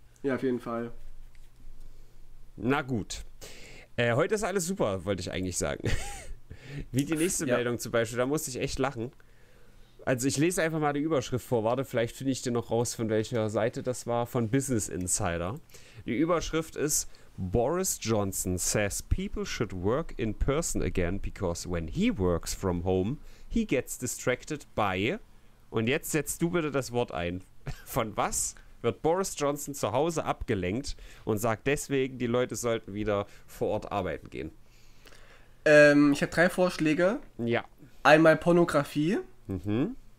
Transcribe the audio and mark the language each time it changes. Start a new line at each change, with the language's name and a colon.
German: Ja, auf jeden Fall. Na gut. Heute ist alles super, wollte ich eigentlich sagen. Wie die nächste Ja. Meldung zum Beispiel, da musste ich echt lachen. Also ich lese einfach mal die Überschrift vor. Warte, vielleicht finde ich dir noch raus, von welcher Seite das war. Von Business Insider. Die Überschrift ist:
English: Boris Johnson says people should work in person again because when he works from home, he gets distracted by.
German: Und jetzt setzt du bitte das Wort ein. Von was wird Boris Johnson zu Hause abgelenkt und sagt deswegen, die Leute sollten wieder vor Ort arbeiten gehen? Ich habe drei Vorschläge. Ja. Einmal Pornografie, Mhm.